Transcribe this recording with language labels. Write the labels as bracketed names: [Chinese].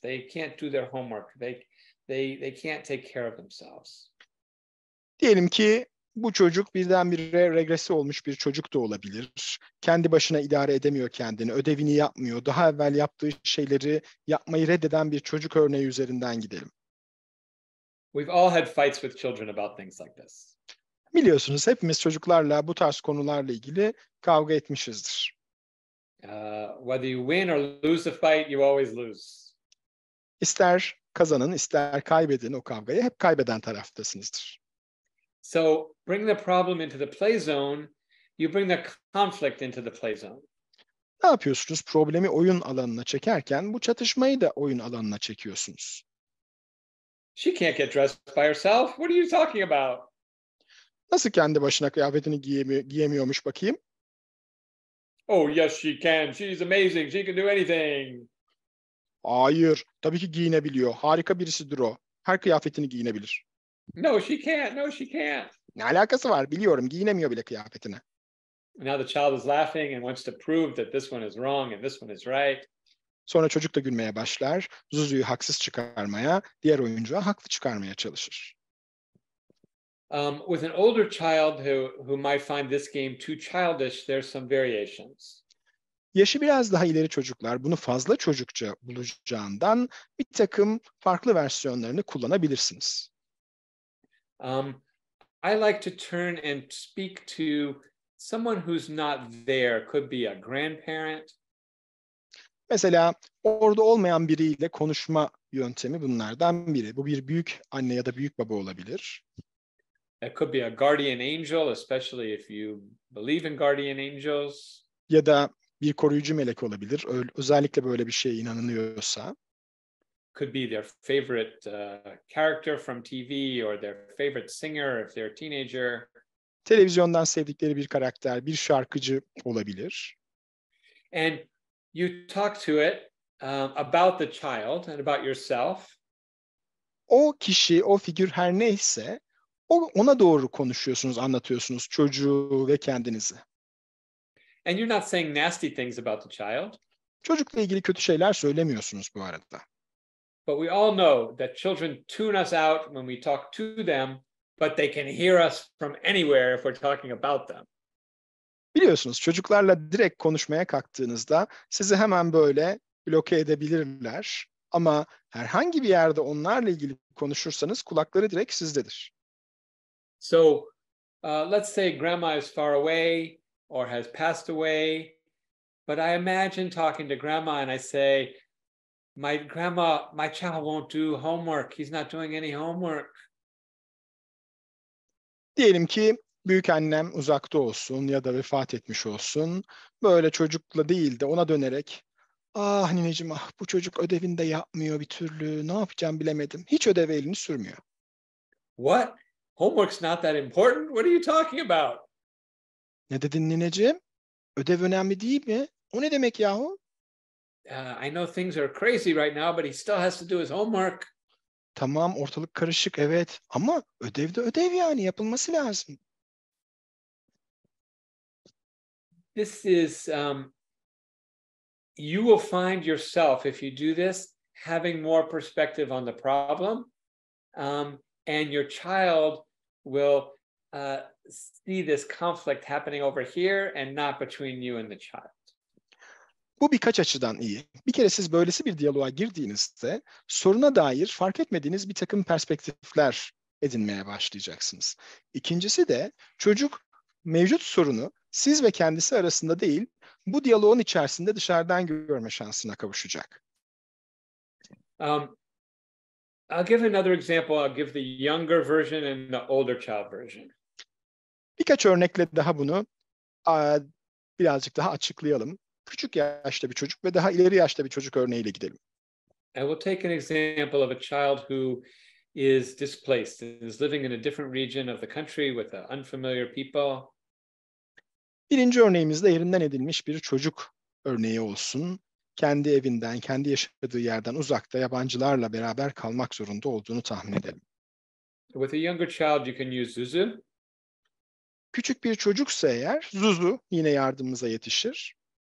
[English] They can't do their homework. They can't take care of themselves. [Turkish] Diyelim ki bu çocuk birdenbire regresi olmuş bir çocuk da olabilir. Kendi başına idare edemiyor kendini, ödevini yapmıyor. Daha evvel yaptığı şeyleri yapmayı reddeden bir çocuk örneği üzerinden gidelim. [English] We've all had fights with children about things like this. [Turkish] Biliyorsunuz hepimiz çocuklarla bu tarz konularla ilgili kavga etmişizdir. [English] Whether you win or lose the fight, you always lose. [Turkish] İster kazanın, ister kaybedin o kavgayı, hep kaybeden taraftasınızdır. [English] So bring the problem into the play zone, you bring the conflict into the play zone. [Turkish] Ne yapıyorsunuz? Problemi oyun alanına çekerken bu çatışmayı da oyun alanına çekiyorsunuz. [English] She can't get dressed by herself. What are you talking about? [Turkish] Nasıl kendi başına kıyafetini giyemiyormuş bakayım? [English] Oh yes she can. She's amazing. She can do anything. [Turkish] Hayır, tabii ki giyinebiliyor. Harika birisidir o. Her kıyafetini giyinebilir. [English] No she can't. No she can't. [Turkish] Ne alakası var? Biliyorum, giyinemiyor bile kıyafetini. [English] Now the child is laughing and wants to prove that this one is wrong and this one is right. [Turkish] Sonra çocuk da gülmeye başlar. Zuzu'yu haksız çıkarmaya, diğer oyuncuğa haklı çıkarmaya çalışır. [English] With an older child who might find this game too childish, there's some variations. [Turkish] yaşı biraz daha ileri çocuklar bunu fazla çocukça bulacağından bir takım farklı versiyonlarını kullanabilirsiniz. [English] I like to turn and speak to someone who's not there. Could be a grandparent. [Turkish] Mesela orada olmayan biriyle konuşma yöntemi bunlardan biri. Bu bir büyük anne ya da büyük baba olabilir. [English] It could be a guardian angel, especially if you believe in guardian angels. [Turkish] Ya da bir koruyucu melek olabilir, özellikle böyle bir şeye inanılıyorsa. [English] Could be their favorite character from TV or their favorite singer if they're a teenager. [Turkish] Televizyondan sevdikleri bir karakter, bir şarkıcı olabilir. [English] And you talk to it about the child and about yourself. [Turkish] O kişi, o figür her neyse, ona doğru konuşuyorsunuz, anlatıyorsunuz çocuğu ve kendinizi. [English] And you're not saying nasty things about the child. [Turkish] Çocukla ilgili kötü şeyler söylemiyorsunuz bu arada. [English] But we all know that children tune us out when we talk to them, but they can hear us from anywhere if we're talking about them. [Turkish] Biliyorsunuz çocuklarla direkt konuşmaya kalktığınızda sizi hemen böyle bloke edebilirler. Ama herhangi bir yerde onlarla ilgili konuşursanız kulakları direkt sizdedir. [English] So, let's say grandma is far away or has passed away, but I imagine talking to grandma and I say, my grandma, my child won't do homework. He's not doing any homework. [Turkish] Diyelim ki büyük annem uzakta olsun ya da vefat etmiş olsun. Böyle çocukla değil de ona dönerek, ah nineciğim, ah bu çocuk ödevini de yapmıyor bir türlü. Ne yapacağım bilemedim. Hiç ödeve elini sürmüyor. [English] What? Homework's not that important. What are you talking about? [Turkish] Ne dedin nineciğim? Ödev önemli değil mi? O ne demek yahu? [English] I know things are crazy right now, but he still has to do his homework. [Turkish] Tamam, ortalık karışık, evet. Ama ödev de ödev yani, yapılması lazım. [English] This is, you will find yourself, if you do this, having more perspective on the problem. And your child will see this conflict happening over here and not between you and the child. [Turkish] Bu birkaç açıdan iyi. Bir kere siz böylesi bir diyaloğa girdiğinizde soruna dair fark etmediğiniz bir takım perspektifler edinmeye başlayacaksınız. İkincisi de çocuk mevcut sorunu siz ve kendisi arasında değil, bu diyaloğun içerisinde dışarıdan görme şansına kavuşacak. [English] I'll give another example. I'll give the younger version and the older child version. [Turkish] Birkaç örnekle daha bunu birazcık daha açıklayalım. Küçük yaşta bir çocuk ve daha ileri yaşta bir çocuk örneğiyle gidelim. [English] I will take an example of a child who is displaced and is living in a different region of the country with unfamiliar people. [Turkish] Birinci örneğimizde yerinden edilmiş bir çocuk örneği olsun. Kendi evinden, kendi yaşadığı yerden uzakta yabancılarla beraber kalmak zorunda olduğunu tahmin edelim. [English] With a younger child you can use Zuzu. [Turkish] Küçük bir çocuksa eğer Zuzu yine yardımımıza yetişir.